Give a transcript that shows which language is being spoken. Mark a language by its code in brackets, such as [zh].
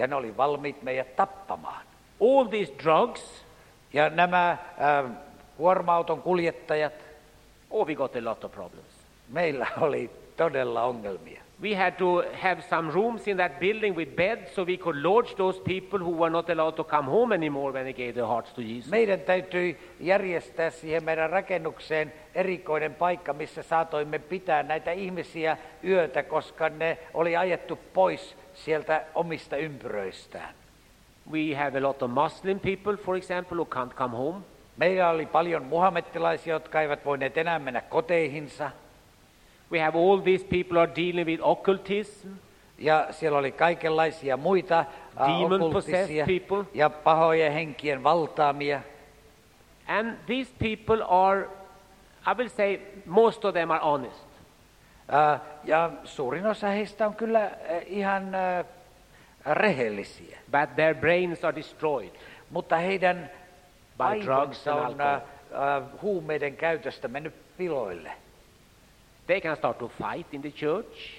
[fi] Ja ne oli valmiit meidät tappamaan. [en] All these drugs. [fi] Ja nämä kuorma-auton kuljettajat. [en] Oh, we got a lot of problems. [fi] Meillä oli todella ongelmia. [en] We had to have some rooms in that building with beds so we could lodge those people who were not allowed to come home anymore when they gave their hearts to Jesus. [fi] Meidän täytyi järjestää siihen meidän rakennukseen erikoinen paikka, missä saatoimme pitää näitä ihmisiä yötä, koska ne oli ajettu pois sieltä omista ympyröistään. [en] We have a lot of Muslim people, for example, who can't come home. [fi] Meillä oli paljon muhammettilaisia, jotka eivät voineet enää mennä koteihinsa. [en] We have all these people are dealing with occultism. [fi] Ja siellä oli kaikenlaisia muita [en] demon-possessed people. [fi] Ja pahoja henkien valtaamia. [en] And these people are, I will say, most of them are honest. [fi] Ja suurin osa heistä on kyllä ihan rehellisiä. [en] But their brains are destroyed. [fi] Mutta heidän aivonsa on huumeiden käytöstä mennyt piloille. [en] They can start to fight in the church.